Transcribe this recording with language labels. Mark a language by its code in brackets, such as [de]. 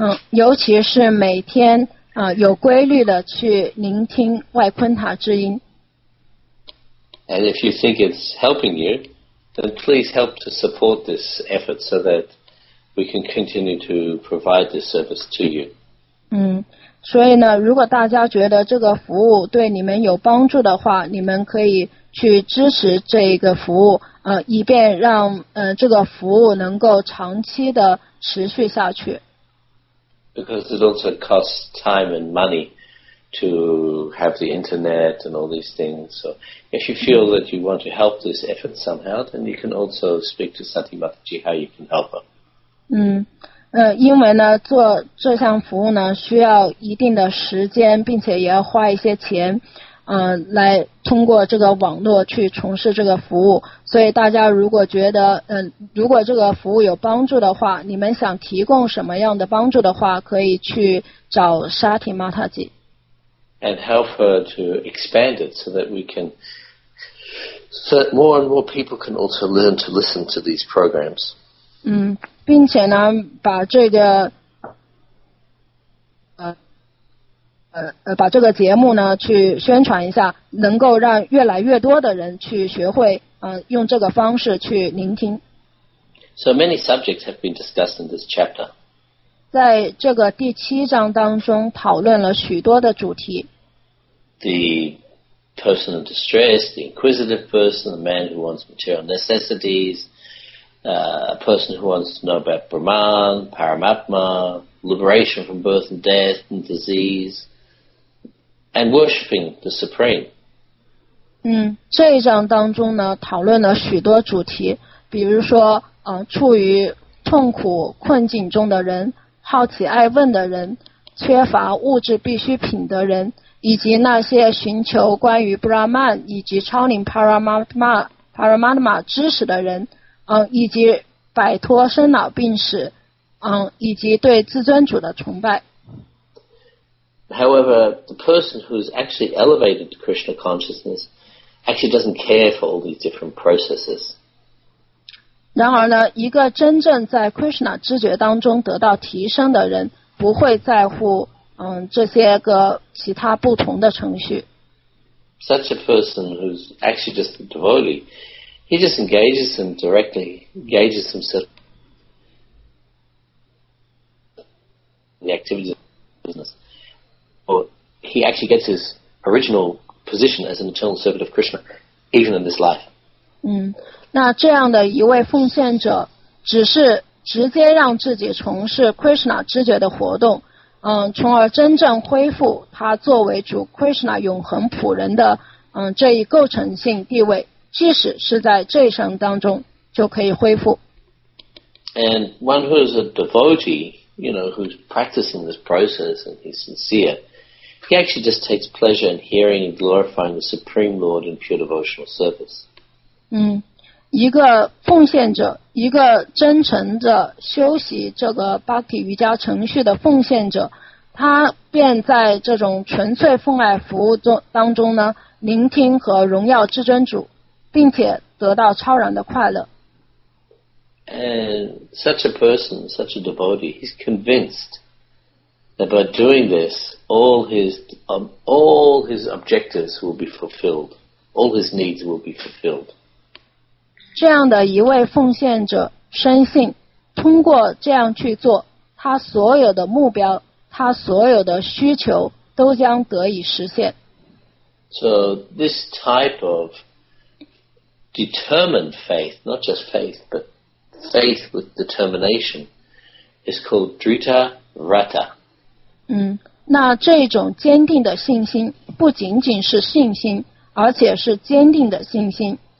[zh] 尤其是每天有规律的去聆听外昆塔之音。 [en] And if you think it's helping you,then please help to support this effort so that we can continue to provide this service to you. [zh] 所以呢，如果大家觉得这个服务对你们有帮助的话，你们可以去支持这个服务，以便让这个服务能够长期的持续下去。 [en] Because it also costs time and money to have the internet and all these things. So if you feel that you want to help this effort somehow, then you can also speak to Sati Mataji how you can help her. [zh] 因为呢，做这项服务呢，需要一定的时间，并且也要花一些钱，来通过这个网络去从事这个服务。所以大家如果觉得，如果这个服务有帮助的话，你们想提供什么样的帮助的话，可以去找 Sati Mataji。 [en] And help her to expand it so that we can, so that more and more people can also learn to listen to these programs. [zh] 并且呢，把这个把这个节目呢去宣传一下，能够让越来越多的人去学会用这个方式去聆听。 [en] So many subjects have been discussed in this chapter. [zh] 在这个第七章当中讨论了许多的主题。 [en] The person in distress, the inquisitive person, the man who wants material necessities, a person who wants to know about Brahman, Paramatma, liberation from birth and death and disease, and worshipping the Supreme. [zh] 这一章当中呢讨论了许多主题，比如说处于痛苦困境中的人，好奇爱问的人，缺乏物质必需品的人，以及那些寻求关于布拉曼以及超灵帕拉曼玛知识的人，以及摆脱生老病死，以及对自尊主的崇拜。 [en] However, the person who's actually elevated to Krishna consciousness actually doesn't care for all these different processes. [zh] 然而呢，一个真正在 Krishna 知觉当中得到提升的人，不会在乎这些个其他不同的程序。 [en] Such a person who's actually just a devotee, he just engages him directly, engages himself in the activities of business. He actually gets his original position as an eternal servant of Krishna, even in this life. [zh] 那这样的一位奉献者，只是直接让自己从事 Krishna 知觉的活动，从而真正恢复他作为主 Krishna 永恒仆人的这一构成性地位，即使是在这一生当中就可以恢复。 [en] And one who is a devotee, you know, who's practicing this process and he's sincere. He actually just takes pleasure in hearing and glorifying the Supreme Lord in pure devotional service. [zh] 一个奉献者，一个真诚的修习这个 Bhakti 瑜伽程序的奉献者，他便在这种纯粹奉爱服务当中呢，聆听和荣耀至尊主，并且得到超然的快乐。 [en] And such a person, such a devotee, he's convincedThat by doing this, all his objectives will be fulfilled, all his needs will be fulfilled. [zh] 这样的一位奉献者深信，通过这样去做，他所有的目标，他所有的需求都将得以实现。 [en] So this type of determined faith, not just faith, but faith with determination, is called Drita Rata. [zh] 那这种坚定的信心不仅仅是信心，而且是坚定的信心。